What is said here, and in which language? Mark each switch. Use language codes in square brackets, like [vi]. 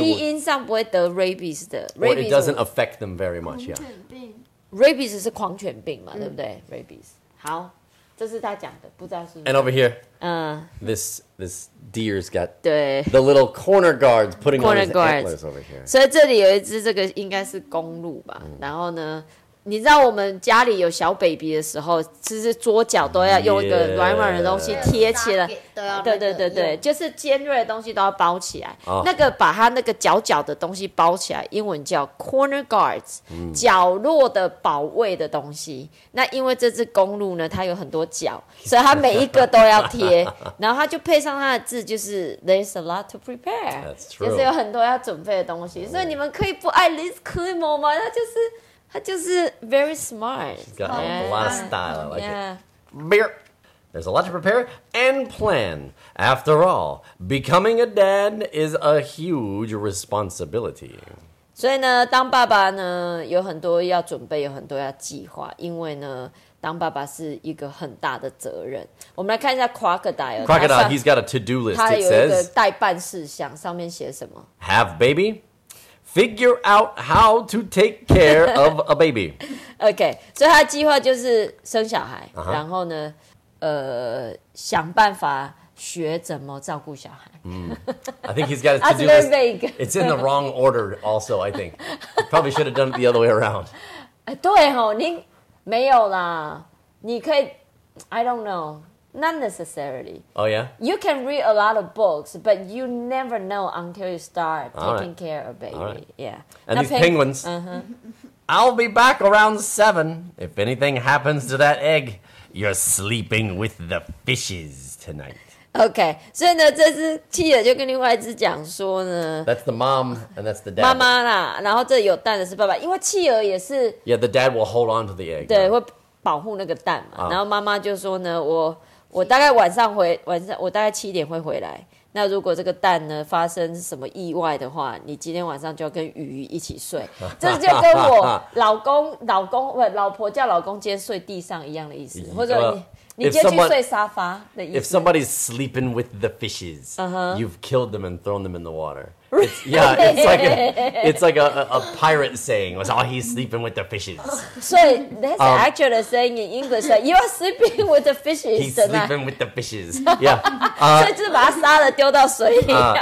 [zh] 基因上不会得 rabies 的。 [en] Rabies doesn't affect them very much. Yeah. [zh] Rabies 是狂犬病嘛，对不对 ？Rabies， 好，这是他讲的，不知道是不是。 [en] And over here, this deer's got the little corner guards putting on his antlers over here. [zh] 所以这里有一只，这个应该是公鹿吧？然后呢，你知道我们家里有小 baby 的时候，其实桌角都要用一个软软的东西贴起来，对对对对，就是尖锐的东西都要包起来。那个把它那个角角的东西包起来，英文叫 corner guards， 角落的保卫的东西。那因为这只公鹿呢，它有很多角，所以它每一个都要贴，然后它就配上它的字，就是 [en] there's a lot to prepare， [zh] 就是有很多要准备的东西。所以你们可以不爱 Liz Climo 吗？它就是。他就是 [en] very smart. She's got a lot of style. I like it. There's a lot to prepare and plan. After all, becoming a dad is a huge responsibility. [zh] 所以呢，当爸爸呢，有很多要准备，有很多要计划，因为呢，当爸爸是一个很大的责任。我们来看一下 Crocodile. [en] Crocodile, he's got a to-do list. [zh] 他有一个代办事项，上面写什么 [en] ？Have baby. Figure out how to take care of a baby. [zh] Okay, 所以他的计划就是生小孩、 uh-huh. 然后呢想办法学怎么照顾小孩。 [en] I think he's got his to-do list. It's in the wrong order also, I think. Probably should have done it the other way around. [zh] 对哦，你没有啦。你可以 [en] I don't know. Not necessarily. Oh, yeah? You can read a lot of books, but you never know until you start taking care of a baby. Right. Yeah. And these penguins. Uh-huh. I'll be back around 7. If anything happens to that egg, you're sleeping with the fishes tonight. [zh] Okay, 所以呢，这只企鹅就跟另外一只讲说呢 [en] ，That's the mom and that's the dad. [zh] 妈妈啦，然后这有蛋的是爸爸，因为企鹅也是。 [en] Yeah, the dad will hold on to the egg. [zh] 对，会保护那个蛋嘛。然后妈妈就说呢，我大概晚上回晚上，我大概七点会回来。那如果这个蛋呢发生什么意外的话，你今天晚上就要跟鱼一起睡，这就跟我老公老婆叫老公今天睡地上一样的意思，或者你今天去睡沙发的意思。 [en] If somebody's sleeping with the fishes,、uh-huh. you've killed them and thrown them in the water. Really? Yeah, it's like a pirate saying. Was, oh, he's sleeping with the fishes. So that's actually a saying in English. Like, you are sleeping with the fishes. He's sleeping with the fishes. Yeah. So just [zh] 把他杀了丢到水里。